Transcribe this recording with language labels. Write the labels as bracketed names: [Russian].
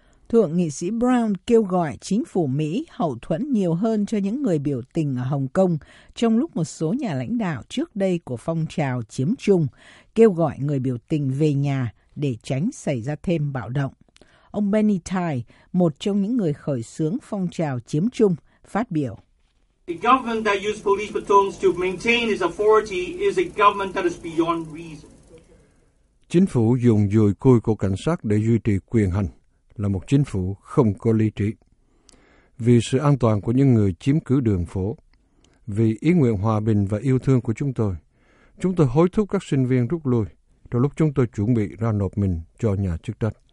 [Vietnamese] Thượng nghị sĩ Brown kêu gọi chính phủ Mỹ hậu thuẫn nhiều hơn cho những người biểu tình ở Hồng Kông trong lúc một số nhà lãnh đạo trước đây của phong trào chiếm trung kêu gọi người biểu tình về nhà để tránh xảy ra thêm bạo động. Ông Benny Tai, một trong những người khởi xướng phong trào chiếm trung, phát biểu. [English] The government that used police batons to maintain its authority is a government that is beyond reason. [Vietnamese] Chính phủ dùng dùi cui của cảnh sát để duy trì quyền hành là một chính phủ không có lý trí. Vì sự an toàn của những người chiếm cứ đường phố, vì ý nguyện hòa bình và yêu thương của chúng tôi hối thúc các sinh viên rút lui trong lúc chúng tôi chuẩn bị ra nộp mình cho nhà chức trách.